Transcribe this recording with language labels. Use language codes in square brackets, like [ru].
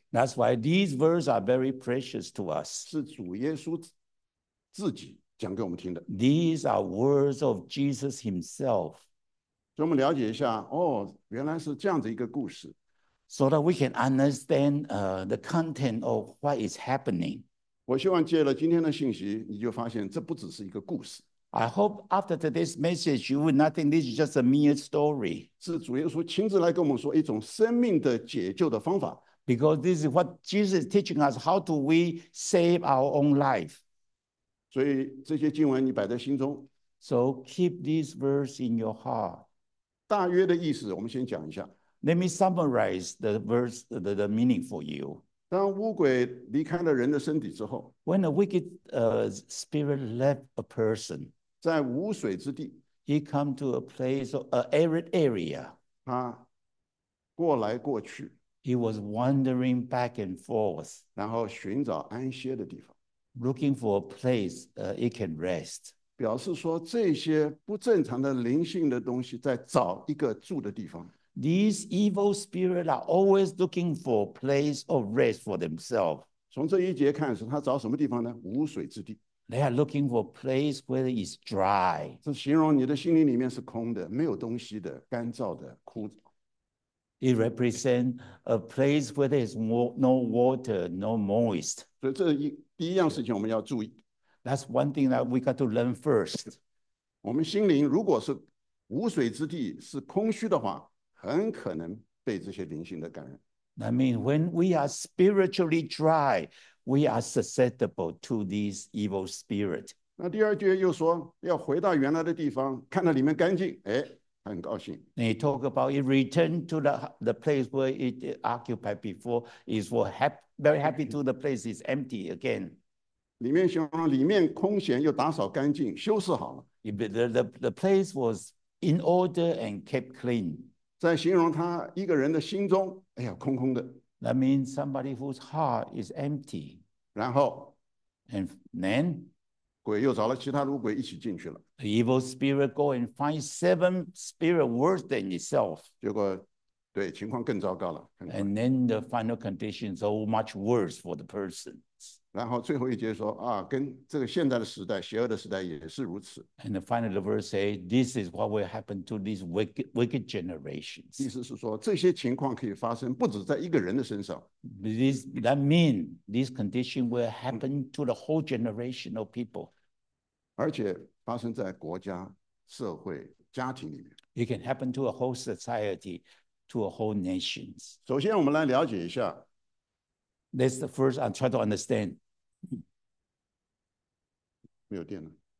[en] That's why these verses are very precious to us. [zh] 是主耶稣自己讲给我们听的。 [en] These are words of Jesus himself. [zh] 所以我们了解一下，哦，原来是这样的一个故事。 [en] So that we can understand the content of what is happening. [zh] 我希望借了今天的信息，你就发现这不只是一个故事。 [en] I hope after today's message, you would not think this is just a mere story. [zh] 是主耶稣亲自来跟我们说一种生命的解救的方法。 [en] Because this is what Jesus is teaching us, how do we save our own life? [zh] 所以这些经文你摆在心中。 [en] So keep this verse in your heart. [zh] 大约的意思我们先讲一下。 [en] Let me summarize the verse, the meaning for you. [zh] 当污鬼离开了人的身体之后。 [en] When a wicked spirit left a person. [zh] 在无水之地。 [en] He come to a place, an arid area. [zh] 他过来过去。 [en] He was wandering back and forth. [zh] 然后寻找安歇的地方。 [en] Looking for a place he can rest. [zh] 表示说这些不正常的灵性的东西在找一个住的地方。 [en] These evil spirits are always looking for a place of rest for themselves. [zh] 从这一节看是他找什么地方呢？无水之地。 [en] They are looking for a place where it's dry. [zh] 是形容你的心灵里面是空的，没有东西的，干燥的，枯燥。 [en] It represents a place where there is no water, no moist. [zh] 所以这一第一样事情我们要注意。 [en] That's one thing that we got to learn first. [zh] 我们心灵如果是无水之地，是空虚的话，很可能被这些灵性的感染。 [en] That means when we are spiritually dry, we are susceptible to these evil spirits. [zh] 那第二句又说，要回到原来的地方，看到里面干净，哎。 [en] And he talk about it return to the place where it occupied before is for very happy to the place is empty again. [zh] 里面形容里面空闲又打扫干净修饰好了。 [en] The place was in order and kept clean. [zh] 在形容他一个人的心中，哎呀，空空的。 [en] That means somebody whose heart is empty. [zh] 然后 [en] and then. [zh] 鬼又找了其他的鬼一起进去了。 [en] The evil spirit go and find seven spirit worse than itself. [zh] 结果，对情况更糟糕了。 [en] And then the final condition is so much worse for the person. [zh] 然后最后一节说啊，跟这个现在的时代、邪恶的时代也是如此。 [en] And the final verse say, this is what will happen to these wicked generations. [zh] 意思是说，这些情况可以发生，不止在一个人的身上。 [en] That means this condition will happen to the whole generation of people. [zh] 而且发生在国家、社会、家庭里面。 [en] It can happen to a whole society, to a whole nation. [zh] 首先我们来了解一下。 [en] That's the first I'm trying to understand. [zh] 没有电了。